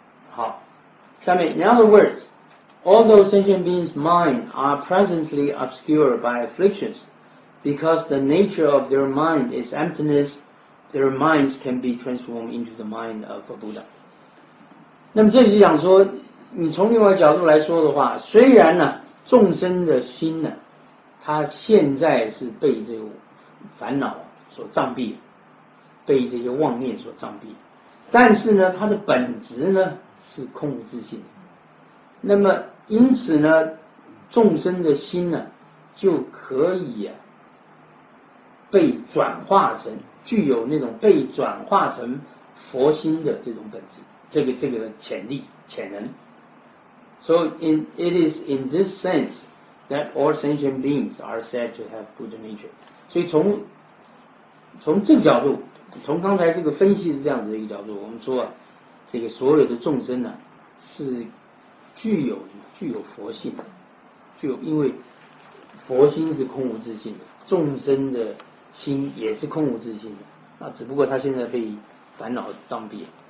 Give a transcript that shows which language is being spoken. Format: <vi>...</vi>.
<en>好，下面 in other words although sentient beings mind are presently obscured by afflictions because the nature of their mind is emptiness their minds can be transformed into the mind of a Buddha。</en> <zh>那么这里就讲说你从另外一个角度来说的话，虽然呢众生的心呢它现在是被这个烦恼所障蔽，被这些妄念所障蔽，但是呢它的本质呢是空无自性。那么因此呢众生的心呢就可以啊被转化成具有那种被转化成佛心的这种本质，这个潜力潜能。</zh> <en>So in, it is in this sense that all sentient beings are said to have Buddha nature.</en> <zh>所以从这个角度，从刚才这个分析的这样子的一个角度，我们说啊，这个所有的众生呢、啊、是具有佛性的，具有，因为佛心是空无自性的，众生的心也是空无自性的，那只不过他现在被烦恼障蔽了。</zh>